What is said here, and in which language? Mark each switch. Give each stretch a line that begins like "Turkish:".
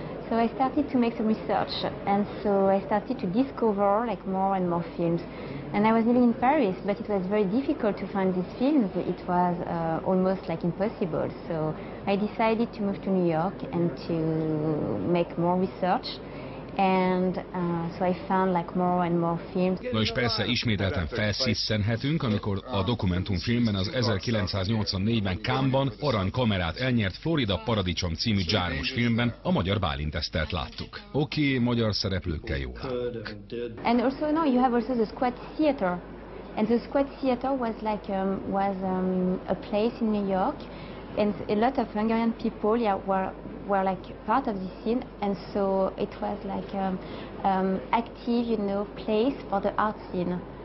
English: So I started to make some research, and so I started to discover, like, more and more films. And I was living in Paris, but it was very difficult to find these films. It was almost like impossible. So I decided to move to New York and to make more research. And so I found, like, more and more films.
Hungarian: Na és persze ismételten felszisszenhetünk, amikor a dokumentumfilmben az 1984-ben Cannes-ban arany kamerát elnyert Florida Paradicsom című Jarmusch filmben a magyar Bálint Esztert láttuk. Oké, magyar szereplőkkel jó látunk.
English: And also, no, you have also the Squad Theater. And the Squad Theater was like a place in New York, and a lot of Hungarian people, yeah, were like part of the scene, and so it was like active, you know, place for the art scene.